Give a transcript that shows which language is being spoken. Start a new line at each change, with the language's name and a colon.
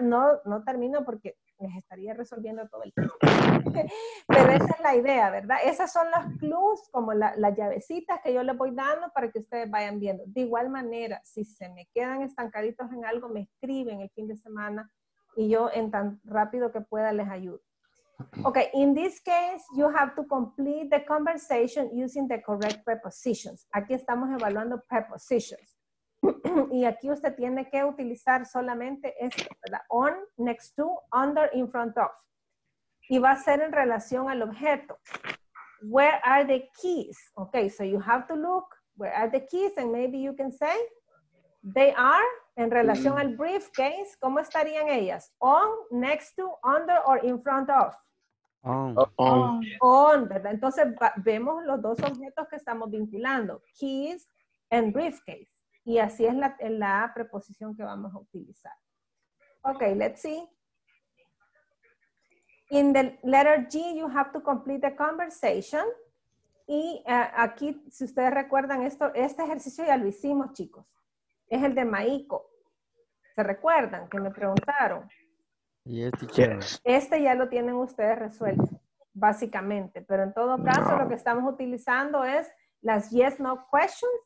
Spanish: No, no termino porque les estaría resolviendo todo el tiempo. Pero esa es la idea, ¿verdad? Esas son las clues, como las llavecitas que yo les voy dando para que ustedes vayan viendo. De igual manera, si se me quedan estancaditos en algo, me escriben el fin de semana y yo en tan rápido que pueda les ayudo.
English: Okay, in this case, you have to complete the conversation using the correct prepositions.
Spanish: Aquí estamos evaluando prepositions. Y aquí usted tiene que utilizar solamente esto, ¿verdad?
English: On, next to, under, in front of.
Spanish: Y va a ser en relación al objeto.
English: Where are the keys? Okay, so you have to look, where are the keys? And maybe you can say, they are,
Spanish: en relación al
English: briefcase,
Spanish: ¿cómo estarían ellas?
English: On, next to, under, or in front of? On,
Spanish: ¿verdad? Entonces vemos los dos objetos que estamos vinculando,
English: keys and briefcase.
Spanish: Y así es la preposición que vamos a utilizar.
English: Okay, let's see. In the letter G, you have to complete the conversation.
Spanish: Y aquí, si ustedes recuerdan esto, este ejercicio ya lo hicimos, chicos. Es el de Maiko. ¿Se recuerdan que me preguntaron?
English: Yes, teacher.
Spanish: Este ya lo tienen ustedes resuelto, básicamente. Pero en todo caso, no. Lo que estamos utilizando es las
English: yes, no questions.